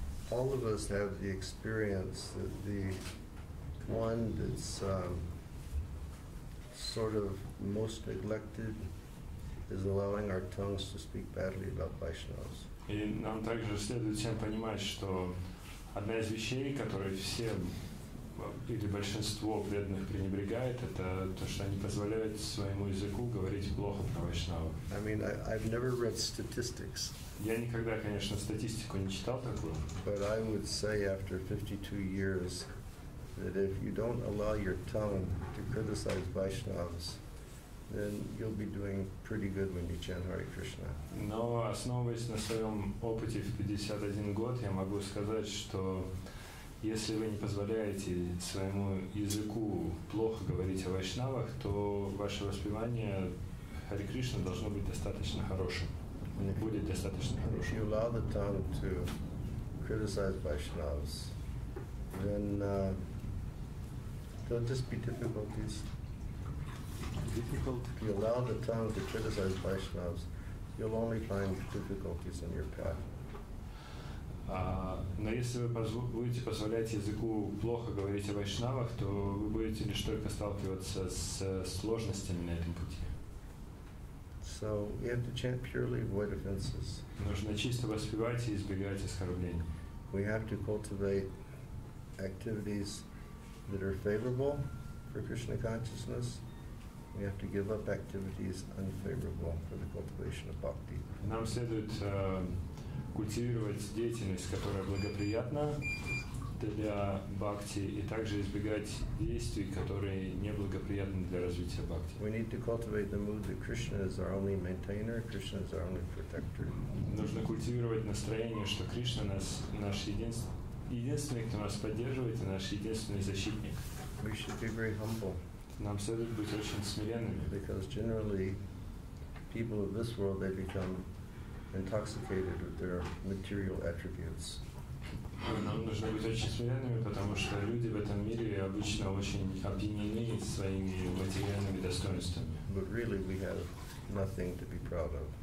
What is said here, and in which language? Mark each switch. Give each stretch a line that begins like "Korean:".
English: All of us have the experience that the one that's sort of most neglected is allowing our tongues to speak badly about Vaishnavas.
Russian: И нам также следует всем понимать, что одна из вещей, которые все или большинство преданных пренебрегает, это то, что они позволяют своему языку говорить плохо про Вайшнава.
English: I mean, I've never read statistics.
Russian: Я никогда, конечно, статистику не читал такую.
English: But I would say after 52 years that if you don't allow your tongue to criticize Vaishnavas, then you'll be doing pretty good when you chant Hare Krishna.
Russian: Но основываясь на своем опыте в 51 год, я могу сказать, что если вы не позволяете своему языку плохо говорить о вайшнавах, то ваше воспевание Hare Krishna должно быть достаточно хорошим. Будет достаточно хорошим.
English: If you allow the tongue to criticize Vaishnavas, then there'll just be difficulties. Difficult. If you allow the tongue to criticize Vaishnavas, you'll only find difficulties in your path.
Russian: Но если вы будете позволять языку плохо говорить о вайшнавах, то вы будете лишь только сталкиваться с сложностями на этом пути.
English: So we have to chant purely, avoid offenses.
Russian: Нужно чисто воспевать и избегать оскорблений.
English: We have to cultivate activities that are favorable for Krishna consciousness. We have to give up activities unfavorable for the cultivation of bhakti.
Russian: Нам следует культивировать деятельность, которая благоприятна для бхакти, и также избегать действий, которые неблагоприятны для развития бхакти.
English: We need to cultivate the mood that Krishna is our only maintainer, Krishna is our only protector.
Russian: Нужно культивировать настроение, что Кришна нас наш единственный, кто нас поддерживает, и наш единственный защитник.
English: We should be very humble.
Russian: Нам следует быть очень смиренными.
English: Because generally, people of this world, they become intoxicated with their material attributes.
Russian: Нам нужно быть очень смиренными, потому что люди в этом мире обычно очень опьянены своими материальными достоинствами.
English: But really, we have nothing to be proud of.